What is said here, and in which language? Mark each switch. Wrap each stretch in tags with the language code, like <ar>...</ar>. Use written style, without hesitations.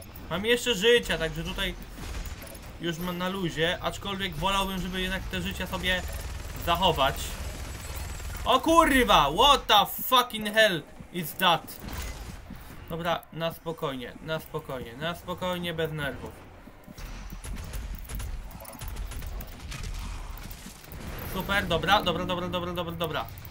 <pl>Mam jeszcze życia, także tutaj już mam na luzie, aczkolwiek wolałbym, żeby jednak te życia sobie zachować. O kurwa!</pl> <en>What the fucking hell is that?</en> <pl>Dobra, na spokojnie, na spokojnie, na spokojnie, bez nerwów. Super, dobra, dobra, dobra, dobra, dobra, dobra.</pl>